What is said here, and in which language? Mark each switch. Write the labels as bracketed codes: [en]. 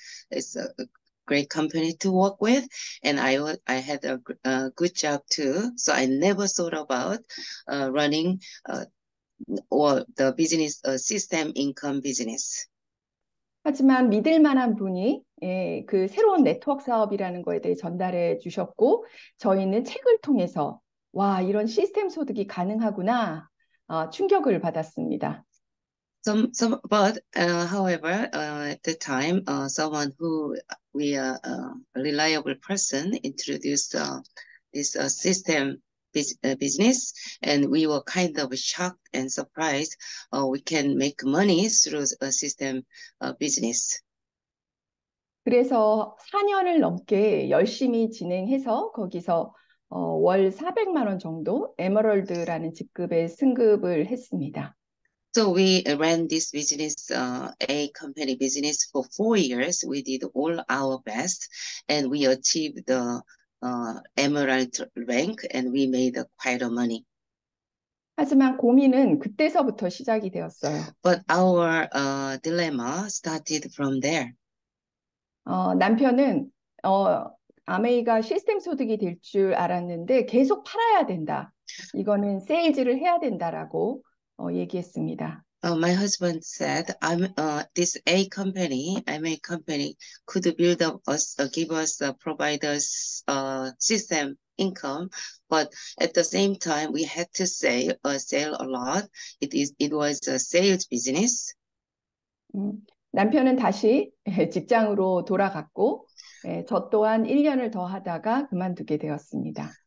[en] It's a great company to work with, and I had a good job too. So I never thought about running or the business system income business. [ko] 하지만 믿을 만한 분이 그 새로운 네트워크 사업이라는 거에 대해 전달해 주셨고, 저희는 책을 통해서 와, 이런 시스템 소득이 가능하구나, 충격을 받았습니다. [en] But however, at the time, someone who we are a reliable person introduced this system business, and we were kind of shocked and surprised. We can make money through a system business. [ko] 그래서 4년을 넘게 열심히 진행해서 거기서 월 400만 원 정도 에메랄드라는 직급에 승급을 했습니다. [en] So we ran this business, A company business for 4 years. We did all our best and we achieved the emerald rank and we made quite a money. [ko] 하지만 고민은 그때서부터 시작이 되었어요. [en] But our dilemma started from there. [ko] 남편은 아메이가 시스템 소득이 될줄 알았는데 계속 팔아야 된다. 이거는 세일즈를 해야 된다라고 얘기했습니다. [en] My husband said, this A company, MA company, could build up us, give us, provide us, system income. But at the same time, we had to sell a lot. It was a sales business. [ko] 남편은 다시 직장으로 돌아갔고, 저 또한 1년을 더 하다가 그만두게 되었습니다.